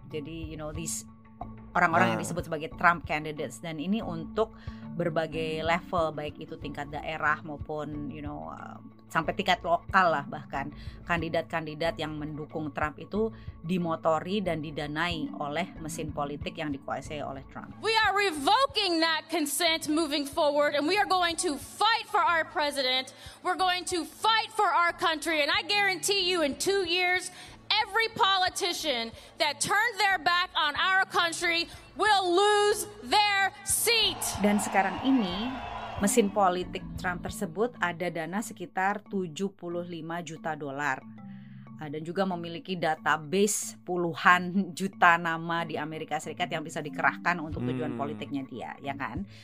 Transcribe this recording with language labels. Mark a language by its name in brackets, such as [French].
[Indonesian] Jadi, [English] you know, these [Indonesian] orang-orang yang disebut sebagai Trump candidates, dan ini untuk berbagai level, baik itu tingkat daerah maupun [English] you know [Indonesian] sampai tingkat lokal lah, bahkan kandidat-kandidat yang mendukung Trump itu dimotori dan didanai oleh mesin politik yang dikuasai oleh Trump. [English] We are revoking that consent moving forward, and we are going to fight for our president. We're going to fight for our country, and I guarantee you in 2 years every politician that turned their back on our country will lose their seat. [Indonesian] Dan sekarang ini mesin politik Trump tersebut ada dana sekitar 75 juta dolar. Dan juga memiliki database puluhan juta nama di Amerika Serikat yang bisa dikerahkan untuk tujuan politiknya dia, ya kan?